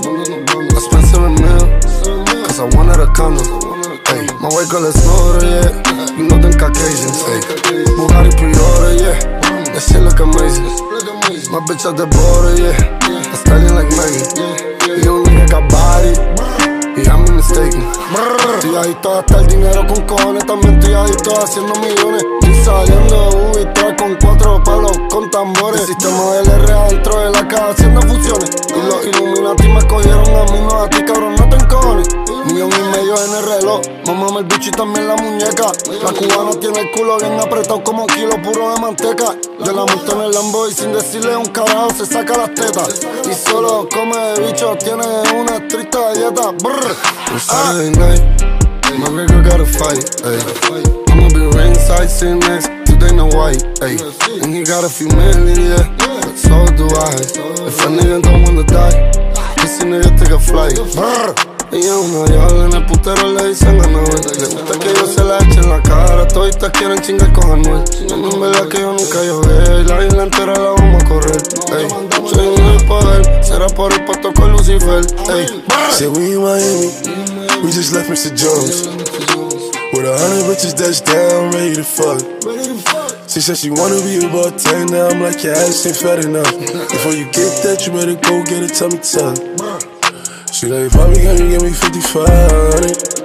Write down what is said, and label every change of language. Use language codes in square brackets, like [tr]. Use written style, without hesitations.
[en] I spent 7 mil, cause I wanted a condo. Ay, my white girl is older, yeah. You know them Caucasians, ay. Bugatti pre-order, yeah. That shit look amazing. My bitch at the border, yeah. I'm styling like Megan. You don't think I got body. Yeah, I'm mistaken. [es] Estoy adicto a gastar dinero con cojones. También estoy adicto a haciendo millones. Estoy saliendo de Ubi, trae con 4 palos con tambores. El sistema del R adentro de la casa haciendo fusiones. Y los Illuminati me cogieron a mí, no a ti, cabrón, no te encojones. 1,000,000 en el reloj. Mámame el bicho y también la muñeca. La cubana tiene el culo bien apretado como un kilo puro de manteca. Yo la monto en el Lambo y sin decirle un carajo se saca las tetas. Y solo come de bicho, tiene una triste dieta. [en] On Saturday night, my nigga got a fight, ayy. I'ma be ringside sitting next to Dana White, ayy. And he got a few million, yeah, but so do I. If a nigga don't wanna die, this nigga take a flight. Brr. [es] Ella es una diabla, en el putero le dicen a Noel. Le gusta que yo se la eche en la cara, toditas quieren chingar con Anuel. En verdad que yo nunca llogué, la isla entera la vamos a correr. Ey, soy un nuevo poder, será por el pato con Lucifer. Ey, [en] say we in Miami, we just left Mr. Jones. With 100 bitches that's down, ready to fuck. She said she wanna be a bartender, now I'm like, your ass ain't fat enough. Before you get that, you better go get a tummy tuck. She like, Bobby, can you give me 5,500?